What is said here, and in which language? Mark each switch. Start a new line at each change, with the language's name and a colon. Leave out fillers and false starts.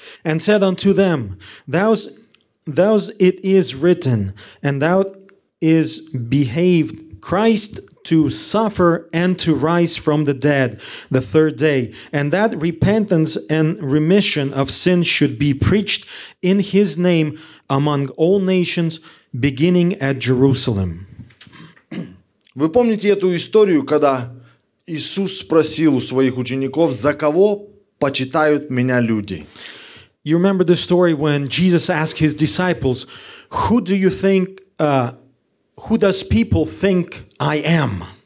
English: And said unto them, thus it is written, and thou is behaved Christ to suffer and to rise from the dead the third day, and that repentance and remission of sin should be preached in his name among all nations, beginning at Jerusalem.
Russian: Вы помните эту историю, когда Иисус спросил у своих учеников, за кого почитают меня люди?
English: You remember the story when Jesus asked his disciples, who do you think who does people think I am?